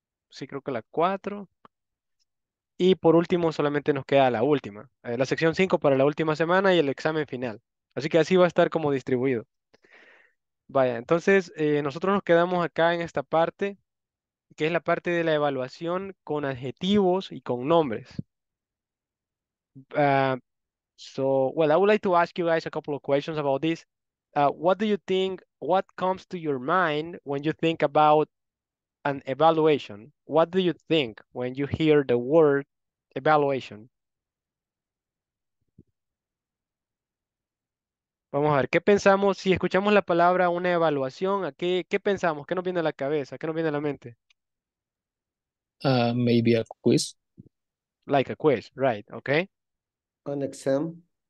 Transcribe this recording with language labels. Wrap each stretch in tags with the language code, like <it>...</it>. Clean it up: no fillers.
<es>Sí, creo que la 4. Y por último, solamente nos queda la última, la sección 5 para la última semana y el examen final. Así que así va a estar como distribuido. Vaya, entonces nosotros nos quedamos acá en esta parte, que es la parte de la evaluación con adjetivos y con nombres.</es> <en>Well, I would like to ask you guys a couple of questions about this. What do you think, what comes to your mind when you think about an evaluation? What do you think when you hear the word evaluation?</en> <es>Vamos a ver, ¿qué pensamos si escuchamos la palabra una evaluación? ¿Qué pensamos? ¿Qué nos viene a la cabeza? ¿Qué nos viene a la mente?</es> <en>Maybe a quiz. Like a quiz, right, okay. An exam.</en>